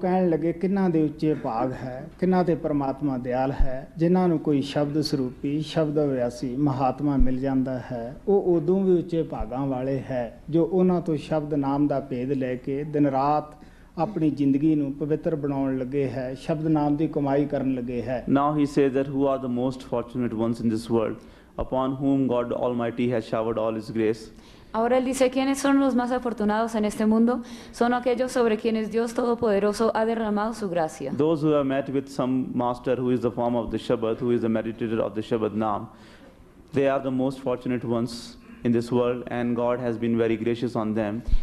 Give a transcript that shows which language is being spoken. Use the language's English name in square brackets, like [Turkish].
[Punjabi] ਲੱਗੇ ਕਿੰਨਾ ਦੇ ਉੱਚੇ ਭਾਗ ਹੈ, ਕਿੰਨਾ ਤੇ ਪਰਮਾਤਮਾ ਦਿਆਲ ਹੈ, ਜਿਨ੍ਹਾਂ ਨੂੰ ਕੋਈ ਸ਼ਬਦ ਸਰੂਪੀ ਸ਼ਬਦ ਅਵਿਆਸੀ ਮਹਾਤਮਾ ਮਿਲ ਜਾਂਦਾ ਹੈ, ਉਹ ਉਦੋਂ ਵੀ ਉੱਚੇ ਭਾਗਾਂ ਵਾਲੇ ਹੈ ਜੋ ਉਹਨਾਂ ਤੋਂ ਸ਼ਬਦ ਨਾਮ ਦਾ ਭੇਦ ਲੈ ਕੇ ਦਿਨ ਰਾਤ ਆਪਣੀ ਜ਼ਿੰਦਗੀ ਨੂੰ ਪਵਿੱਤਰ ਬਣਾਉਣ ਲੱਗੇ ਹੈ, ਸ਼ਬਦ ਨਾਮ ਦੀ ਕਮਾਈ ਕਰਨ ਲੱਗੇ ਹੈ. [English] Now he says that who are the most fortunate ones in this world upon whom God Almighty has showered all his grace. [Spanish] Ahora él dice quiénes son los más afortunados en este mundo, son aquellos sobre quienes Dios Todopoderoso ha derramado su gracia. [English] Those who have met with some master who is the form of the Shabad, who is the meditator of the Shabad Nam, they are the most fortunate ones in this world and God has been very gracious on them.